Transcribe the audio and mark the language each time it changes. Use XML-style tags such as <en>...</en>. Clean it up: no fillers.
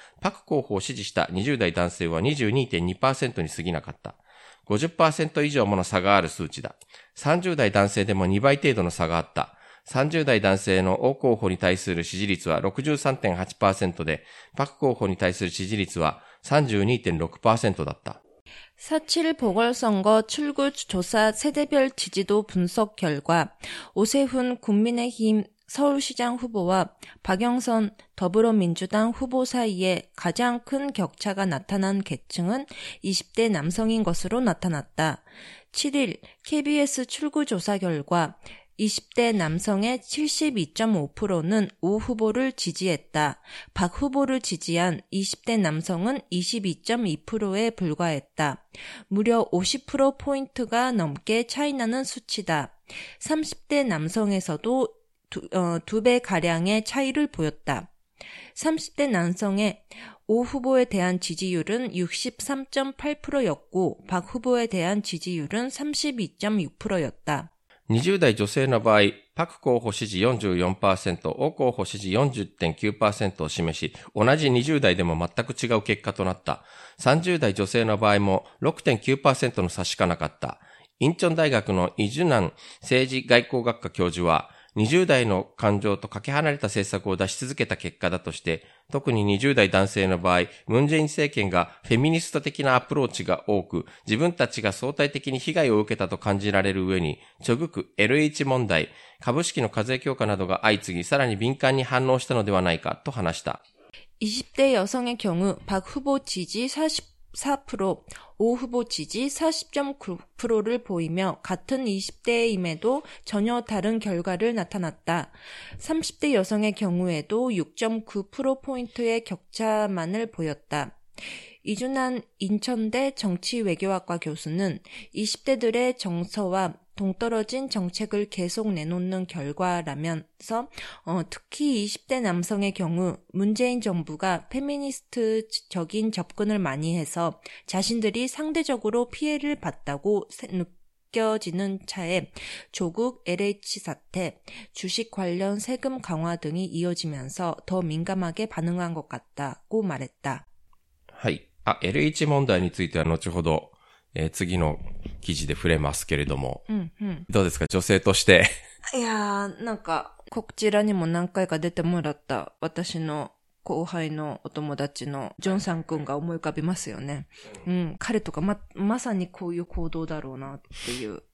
<ja>パク候補を支持した20代男性は 22.2% に過ぎなかった。 50% 以上もの差がある数値だ。30代男性でも2倍程度の差があった。 30代男性の王候補に対する支持率は 63.8% で、パク候補に対する支持率は 32.6% だった。</ja> <ko>47일 보궐선거 출구조사 세대별 지지도 분석 결과, 오세훈 국민의힘 서울시장 후보와 박영선 더불어민주당 후보 사이에 가장 큰 격차가 나타난 계층은 20대 남성인 것으로 나타났다. 7일 KBS 출구조사 결과 20대 남성의 72.5%는 오 후보를 지지했다. 박 후보를 지지한 20대 남성은 22.2%에 불과했다. 무려 50%포인트가 넘게 차이나는 수치다. 30대 남성에서도 두 배 가량의 차이를 보였다. 30대 남성의 오 후보에 대한 지지율은 63.8%였고 박 후보에 대한 지지율은 32.6%였다.</ko> <ja>20代女性の場合、パク候補支持 44%、オ候補支持 40.9% を示し、同じ20代でも全く違う結果となった。 30代女性の場合も 6.9% の差しかなかった。インチョン大学のイジュナン政治外交学科教授は、20代の感情とかけ離れた政策を出し続けた結果だとして、特に20代男性の場合、ムンジェイン政権がフェミニスト的なアプローチが多く、自分たちが相対的に被害を受けたと感じられる上に、チョグク、LH 問題、株式の課税強化などが相次ぎ、さらに敏感に反応したのではないかと話した。 20代女性の</ja> <ko>경우、パク후보지지 44%、오 후보 지지 40.9%를 보이며 같은 20대임에도 전혀 다른 결과를 나타났다. 30대 여성의 경우에도 6.9%포인트의 격차만을 보였다. 이준한 인천대 정치외교학과 교수는 20대들의 정서와 동떨어진 정책을 계속 내놓는 결과라면서 특히 20대 남성의 경우 문재인 정부가 페미니스트적인 접근을 많이 해서 자신들이 상대적으로 피해를 봤다고 느껴지는 차에 조국 LH 사태, 주식 관련 세금 강화 등이 이어지면서 더 민감하게 반응한 것 같다고 말했다.</ko> <ja>LH</ja> <ko>문제</ko> <ja>については 後ほど 次の記事で触れますけれども、うんうん、どうですか女性として。いやーなんかこちらにも何回か出てもらった私の後輩のお友達のジョンさんくんが思い浮かびますよね、うん、彼とか まさにこういう行動だろうなっていう。</ja>